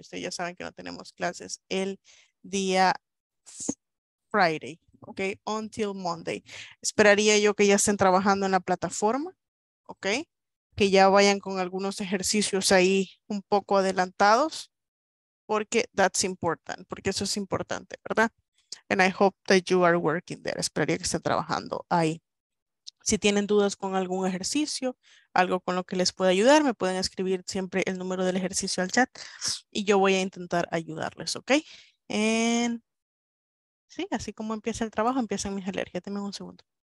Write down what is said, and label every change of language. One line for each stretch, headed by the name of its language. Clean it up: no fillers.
Spanish: Ustedes ya saben que no tenemos clases el día Friday.
English: Ok, until Monday.
Spanish: Esperaría yo que ya estén trabajando en la plataforma. Ok, que ya vayan con algunos ejercicios ahí un poco adelantados. Porque
English: that's important.
Spanish: Porque eso es importante, ¿verdad?
English: And I hope that you are working there.
Spanish: Esperaría que estén trabajando ahí. Si tienen dudas con algún ejercicio, algo con lo que les pueda ayudar, me pueden escribir siempre el número del ejercicio al chat. Y yo voy a intentar ayudarles, ¿ok? And sí, así como empieza el trabajo, empiezan mis alergias. Deme un segundo.